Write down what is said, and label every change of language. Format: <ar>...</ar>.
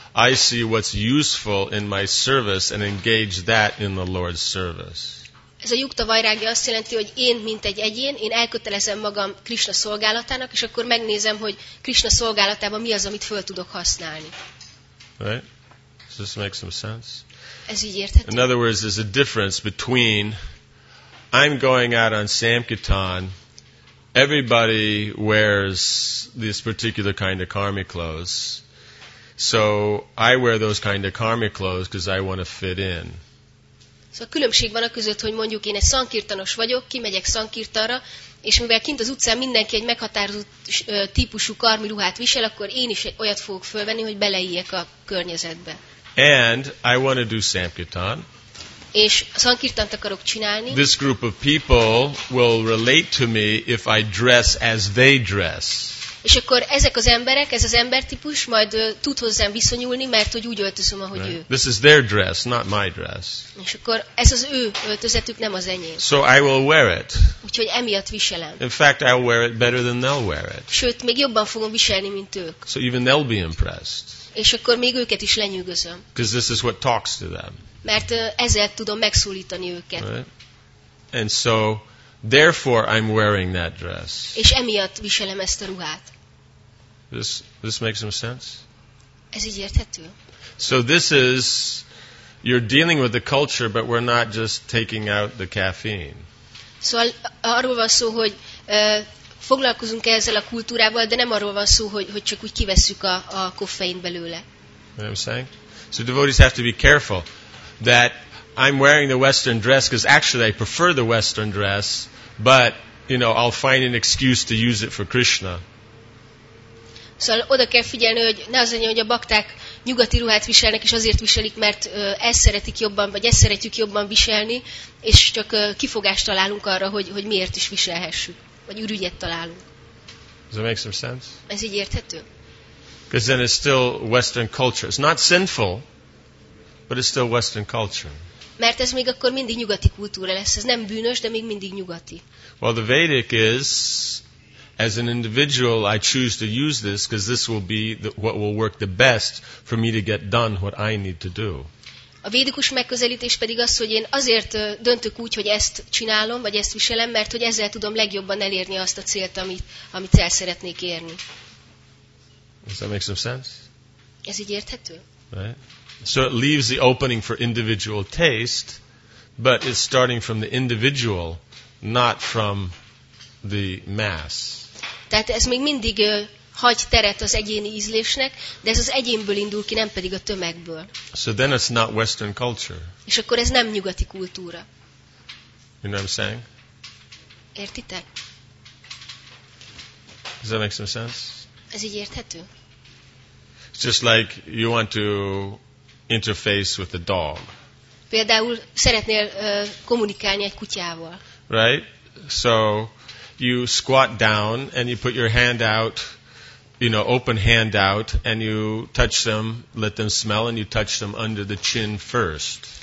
<en>I see what's useful in my service and engage that in the Lord's service.</en> <hu>Ez a yukta vairagya azt jelenti, hogy én, mint egy egyén, én elkötelezem magam Krishna szolgálatának, és akkor megnézem, hogy Krishna szolgálatában mi az, amit föl tudok használni.</hu> <en>Right? Does this make some sense?</en> <hu>Ez így érthető.</hu> <en>In other words, there's a difference between I'm going out on Samkirtan, everybody wears this particular kind of karmic clothes, so I wear those kind of karmic clothes because I want to fit in.</en> <hu>Szóval a különbség van a között, hogy mondjuk én egy szankirtanos vagyok, kimegyek szankirtanra, és mivel kint az utcán mindenki egy meghatározott típusú karmi ruhát visel, akkor én is olyat fogok fölvenni, hogy beleíjek a környezetbe.</hu> <en>And I want to do Samkirtan.</en> <hu>És szankirtant akarok csinálni.</hu> <en>This group of people will relate to me if I dress as they dress.</en> <hu>És akkor ezek az emberek, ez az embertípus majd tud hozzám viszonyulni, mert hogy úgy öltözöm, ahogy</hu> <en>right. Ő. This is their dress, not my dress.</en> <hu>És akkor ez az ő öltözetük, nem az enyém.</hu> <en>So I will wear it.</en> <hu>Úgyhogy emiatt viselem.</hu> <en>In fact, I'll wear it better than they'll wear it.</en> <hu>Sőt, még jobban fogom viselni, mint ők.</hu> <en>So even they'll be impressed.</en> <hu>És akkor még őket is lenyűgözöm.</hu> <en>Because this is what talks to them.</en> <hu>Mert ezzel tudom megszólítani őket.</hu> <en>Right. And so therefore, I'm wearing that dress.</en> <hu>És emiatt viselem ezt a ruhát.</hu> <en>This makes some sense?</en> <hu>Ez így érthető.</hu> <en>So this is, you're dealing with the culture, but we're not just taking out the caffeine.</en> <hu>Szóval arról van szó, hogy foglalkozunk ezzel a kultúrával, de nem arról van szó, hogy csak úgy kivesszük a koffein belőle.</hu> <en>You know what I'm saying? So devotees have to be careful that I'm wearing the Western dress because actually I prefer the Western dress, but you know, I'll find an excuse to use it for Krishna.</en> <hu>Szóval oda kell figyelni, hogy ne az legyen, hogy a bakták nyugati ruhát viselnek, és azért viselik, mert ezt szeretik jobban, vagy ezt szeretjük jobban viselni, és csak kifogást találunk arra, hogy miért is viselhessük, vagy ürügyet találunk.</hu> <en>Does that make some sense?</en> <hu>Ez így érthető?</hu> <en>Because then it's still Western culture. It's not sinful, but it's still Western culture.</en> <hu>Mert ez még akkor mindig nyugati kultúra lesz. Ez nem bűnös, de még mindig nyugati.</hu> <en>Well, the Vedic is... As an individual, I choose to use this because this will be what will work the best for me to get done what I need to do.</en> <hu>A védikus megközelítés pedig az, hogy én azért döntök úgy, hogy ezt csinálom, vagy ezt viselem, mert hogy ezzel tudom legjobban elérni azt a célt, amit el szeretnék érni.</hu> <en>Does that make some sense?</en> <hu>Ez így érthető?</hu> <en>Right. So it leaves the opening for individual taste, but it's starting from the individual, not from the mass.</en> <hu>Tehát ez még mindig hagy teret az egyéni ízlésnek, de ez az egyénből indul ki, nem pedig a tömegből.</hu> <en>So then it's not Western culture.</en> <hu>És akkor ez nem nyugati kultúra.</hu> <en>You know what I'm saying?</en> <hu>Értitek?</hu> <en>Does that make some sense?</en> <hu>Ez így érthető?</hu> <en>It's just like you want to interface with a dog.</en> <hu>Például szeretnél kommunikálni egy kutyával.</hu> <en>Right? So you squat down and you put your hand out, you know, open hand out, and you touch them, let them smell, and you touch them under the chin first.</en>